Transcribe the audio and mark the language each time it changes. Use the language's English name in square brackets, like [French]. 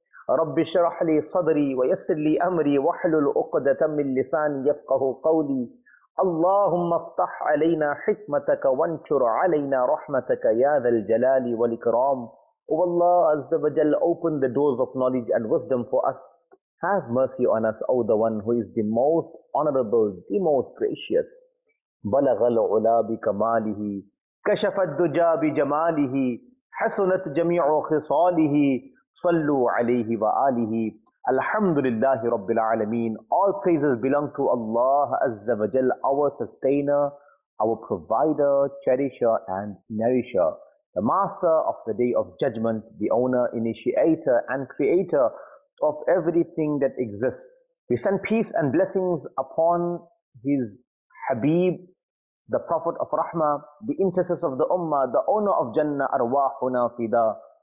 [Arabic] رب اشرح لي صدري ويسر لي أمري واحلل عقدة من لساني يفقه قولي اللهم افتح علينا حكمتك وانشر علينا رحمتك يا ذا الجلال والإكرام [English] Oh Allah Azza wa Jal, open the doors of knowledge and wisdom for us. Have mercy on us, O the one who is the most honorable, the most gracious. [Arabic] بَلَغَ الْعُلَى بِكَمَالِهِ كَشَفَ الدُّجَى بِجَمَالِهِ حَسُنَتْ جَمِيعُ خِصَالِهِ صَلُّوا عَلَيْهِ وَآلِهِ الْحَمْدُ لِلَّهِ رَبِّ الْعَالَمِينَ [English] All praises belong to Allah Azza wa Jal, our sustainer, our provider, cherisher and nourisher. The master of the day of judgment, the owner, initiator and creator of everything that exists. We send peace and blessings upon his Habib, the Prophet of Rahmah, the intercessor of the Ummah, the owner of Jannah, Arwahuna Fida.